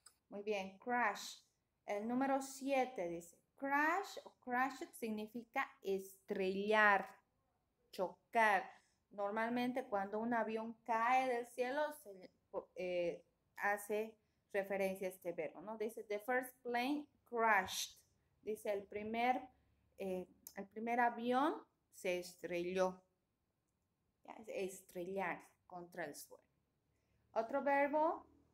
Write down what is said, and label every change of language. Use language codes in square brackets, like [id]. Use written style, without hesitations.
[es] Muy bien, crash. El número 7 dice, crash o crashed significa estrellar, chocar. Normalmente cuando un avión cae del cielo se hace referencia a este verbo, ¿no? Dice, [en] the first plane crashed. [es] Dice, el primer avión se estrelló. Ya, estrellar contra el suelo. Otro verbo.